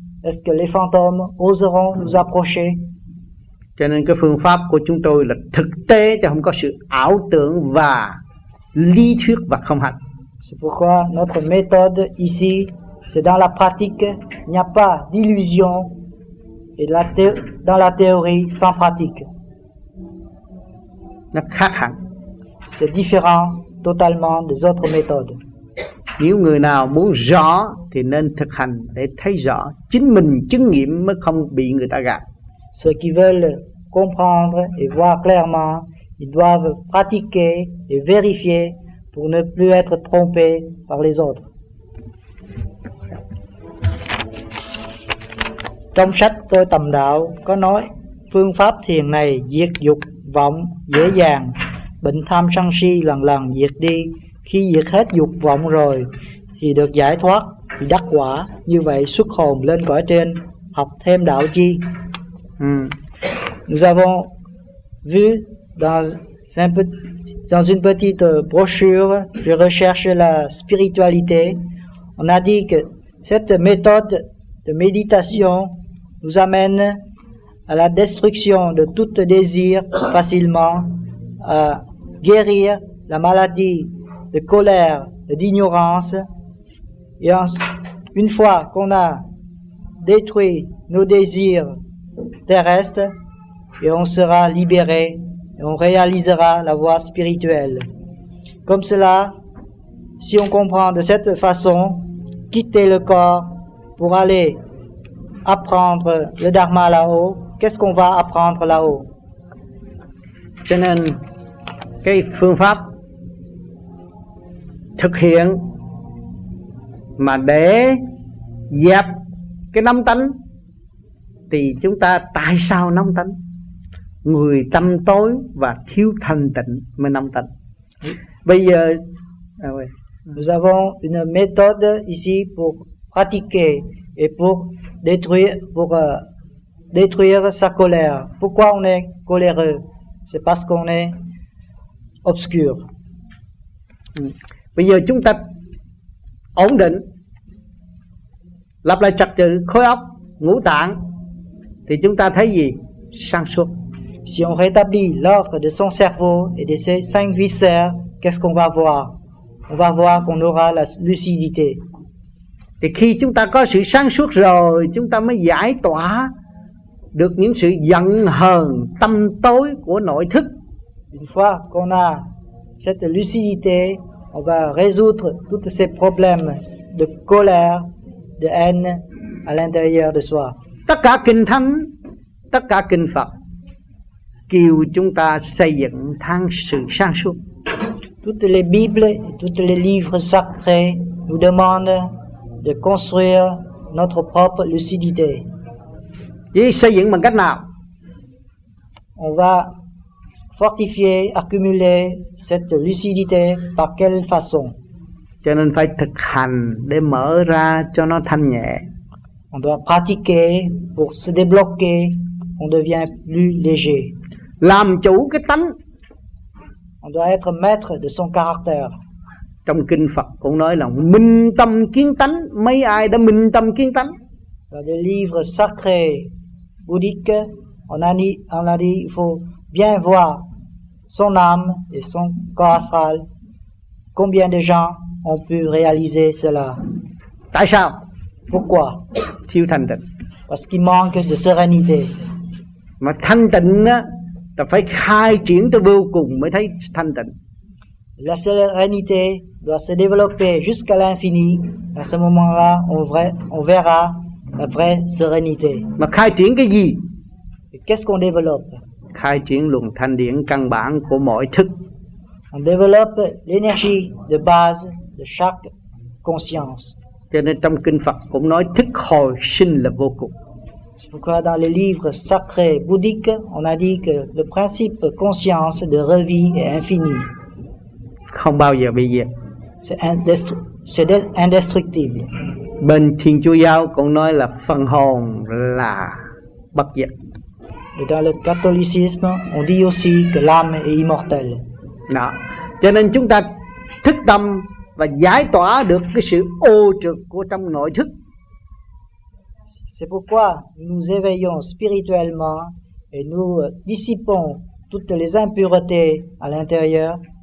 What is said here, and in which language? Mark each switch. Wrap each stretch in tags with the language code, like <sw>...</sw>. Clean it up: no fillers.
<fr>Est-ce que les fantômes oseront nous approcher?</fr> <vi>Cho nên cái phương pháp của chúng tôi là thực tế, chứ không có sự ảo tưởng và lý thuyết và không hành.</vi> <fr>C'est pourquoi notre méthode ici, c'est dans la pratique, il n'y a pas d'illusion, et dans la théorie sans pratique.</fr> <vi>Nó khác hẳn.</vi> <fr>C'est différent totalement des autres méthodes.</fr> <vi>Nếu người nào muốn rõ thì nên thực hành để thấy rõ, chính mình chứng nghiệm mới không bị người ta gạt.</vi> <fr>Ceux qui veulent comprendre et voir clairement, ils doivent pratiquer et vérifier pour ne plus être trompés par les autres.</fr> <vi>Trong sách tôi tầm đạo có nói phương pháp thiền này diệt dục vọng dễ dàng, bệnh tham sân si lần lần diệt đi. Khi diệt hết dục vọng rồi thì được giải thoát, thì đắc quả. Như vậy xuất hồn lên cõi trên, học thêm đạo chi.</vi> <fr>Nous avons vu dans une petite brochure de recherche la spiritualité, on a dit que cette méthode de méditation nous amène à la destruction de tout désir facilement, à guérir la maladie de colère et d'ignorance. Et une fois qu'on a détruit nos désirs terrestre et on sera libéré et on réalisera la voie spirituelle. Comme cela, si on comprend de cette façon, quitter le corps pour aller apprendre le dharma là-haut, qu'est-ce qu'on va apprendre là-haut?</fr> <vi>Cho nên cái phương pháp thực hiện mà để dẹp cái năm tánh thì chúng ta tại sao nóng tánh? Người tâm tối và thiếu thanh tịnh mới nóng tánh. Bây giờ</vi> <fr>nous avons une méthode ici pour pratiquer et pour détruire sa colère. Pourquoi on est coléreux? C'est parce qu'on est obscur.</fr> <vi>Bây giờ chúng ta ổn định, lập lại trật tự khối óc ngũ tạng thì chúng ta thấy gì? Sáng suốt.</vi> <fr>Si on rétablit l'ordre de son cerveau et de ses cinq viscères, qu'est-ce qu'on va voir? On va voir qu'on aura la lucidité.</fr> <vi>Thì khi chúng ta có sự sáng suốt rồi, chúng ta mới giải tỏa được những sự giận hờn tâm tối của nội thức.</vi> <fr>Une fois qu'on a cette lucidité, on va résoudre tous ces problèmes de colère, de haine à l'intérieur de soi.</fr> <vi>Tất cả kinh thánh, tất cả kinh Phật kêu chúng ta xây dựng thang sự sáng suốt.</vi> <fr>Toutes les bibles, toutes les livres sacrés nous demandent de construire notre propre lucidité.</fr> <vi>Y xây dựng bằng cách nào?</vi> <fr>On va fortifier, accumuler cette lucidité par quelle façon?</fr> <vi>Cho nên phải thực hành để mở ra cho nó thanh nhẹ.</vi> <fr>On doit pratiquer pour se débloquer, on devient plus léger.</fr> <vi>Làm chủ cái tánh.</vi> <fr>On doit être maître de son caractère.</fr> <vi>Trong kinh Phật cũng nói là minh tâm kiến tánh, mấy ai đã minh tâm kiến tánh?</vi> <fr>Dans les livres sacrés bouddhiques, on a dit il faut bien voir son âme et son corps astral. Combien de gens ont pu réaliser cela?</fr> <vi>Tại sao?</vi> <fr>Pourquoi?</fr> <vi>Thiếu thanh tịnh.</vi> <fr>Parce qu'il manque de sérénité.</fr> <vi>Mà thanh tịnh á, ta phải khai triển tới vô cùng mới thấy thanh tịnh.</vi> <fr>La sérénité doit se développer jusqu'à l'infini. À ce moment-là, on verra la vraie sérénité.</fr> <vi>Mà khai triển cái gì?</vi> <fr>Et qu'est-ce qu'on développe?</fr> <vi>Khai triển luồng thanh điển căn bản của mọi thức.</vi> <fr>On développe l'énergie de base de chaque conscience.</fr> <vi>Cho nên trong kinh Phật cũng nói thức hồi sinh là vô cùng.</vi> <fr>C'est pourquoi dans les livres sacrés bouddhiques, on a dit que le principe conscience de revie est infini.</fr> <vi>Không bao giờ bị diệt.</vi> <fr>C'est indestructible.</fr> <vi>Bên Thiên Chúa giáo cũng nói là phần hồn là bất diệt.</vi> <fr>Et dans le catholicisme, on dit aussi que l'âme est immortelle.</fr> <vi>Đó. Cho nên chúng ta thức tâm và giải tỏa được cái sự ô trược của trong nội thức.</vi> <fr>C'est pourquoi nous éveillons spirituellement et nous dissipons toutes les impuretés à l'intérieur.</fr>